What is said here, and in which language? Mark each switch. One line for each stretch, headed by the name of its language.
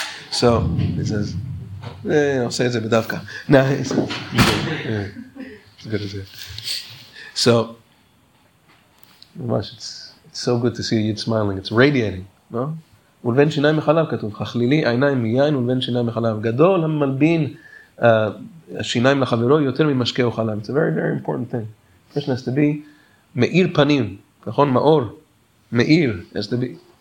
English: So, he says, I'll say it's a bedavka. Now, it's good to say. So, it's so good to see you smiling. It's radiating. No?
Hebrew: ולבן שיניים מחלב כתוב, חכלילי, עיניים מיין ולבן שיניים מחלב. גדול המלבין השיניים לחברו יותר ממשקה או חלב.
English: It's a very, very important thing. Person has to be
Hebrew: מאיר פנים, נכון? מאור.
English: מאיר has to be.